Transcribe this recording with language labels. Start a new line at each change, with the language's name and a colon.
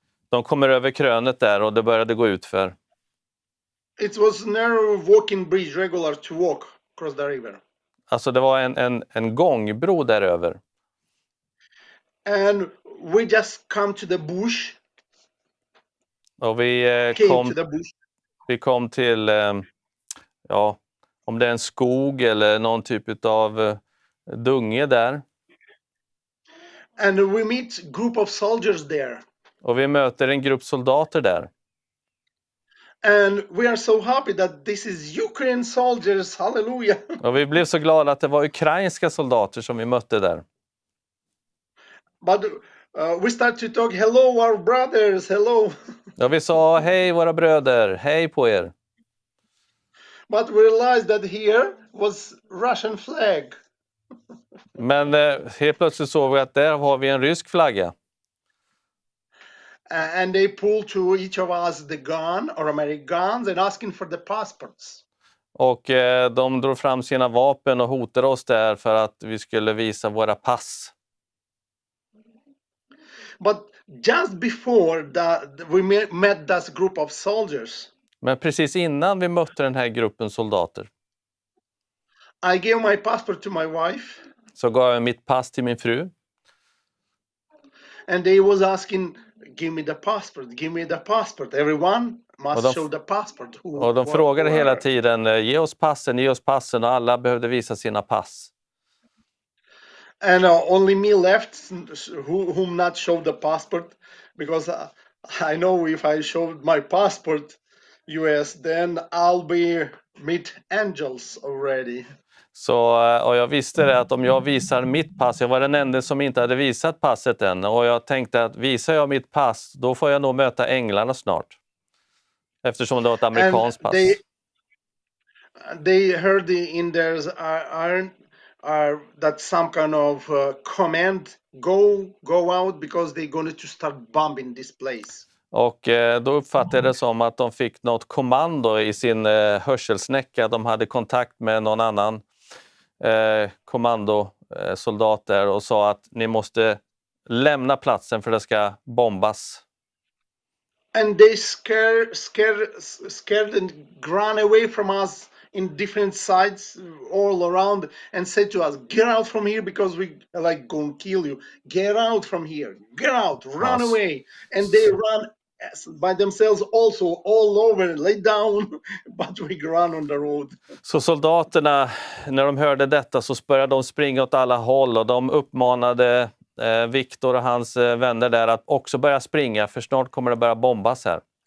Swedish: De kommer över krönet där och det började gå ut för.
English: It was narrow walking bridge, regular to walk across the river.
Swedish: Alltså det var en gångbro däröver.
English: And we just come to the bush.
Swedish: Och vi kom
English: to the bush.
Swedish: Vi kom till om det är en skog eller någon typ av dunge där.
English: And we meet group of soldiers there.
Swedish: Och vi möter en grupp soldater där.
English: And we are so happy that this is Ukrainian soldiers. Hallelujah.
Swedish: Och vi blev så glada att det var ukrainska soldater som vi mötte där.
English: But we start to talk, hello our brothers, hello.
Swedish: Och vi sa hej våra bröder, hej på er.
English: But we realized that here was Russian flag.
Swedish: Men helt plötsligt såg vi att där har vi en rysk flagga.
English: And they pulled to each of us the gun or American guns and asking for the passports.
Swedish: Och de drog fram sina vapen och hotade oss där för att vi skulle visa våra pass.
English: But just before we met this group of soldiers.
Swedish: Men precis innan vi mötte den här gruppen soldater.
English: I gave my passport to my wife.
Swedish: Så gav jag mitt pass till min fru.
English: And they was asking, give me the passport, give me the passport. Everyone must show the passport.
Swedish: Och de frågade hela tiden, ge oss passen, ge oss passen. Och alla behövde visa sina pass.
English: And only me left, whom not showed the passport. Because I know if I showed my passport US, then I'll be meet angels already.
Swedish: Så, och jag visste det att om jag visar mitt pass, jag var den enda som inte hade visat passet än, och jag tänkte att visar jag mitt pass, då får jag nog möta änglarna snart. Eftersom det var ett amerikanskt pass.
English: They heard in there are that some kind of command, go out because they're going to start bombing this place.
Swedish: Och då uppfattade det som att de fick något kommando i sin hörselsnäcka. De hade kontakt med någon annan kommandosoldat där och sa att ni måste lämna platsen för det ska bombas.
English: And they scared and ran away from us in different sides all around and said to us, get out from here because we like going to kill you. Get out from here. Get out. Run away. And they run by themselves also all over lay down, but we run on the road.
Swedish: Så soldaterna när de hörde detta så började de springa åt alla håll, och de uppmanade Viktor och hans vänner där att också börja springa, för snart kommer det börja bombas här.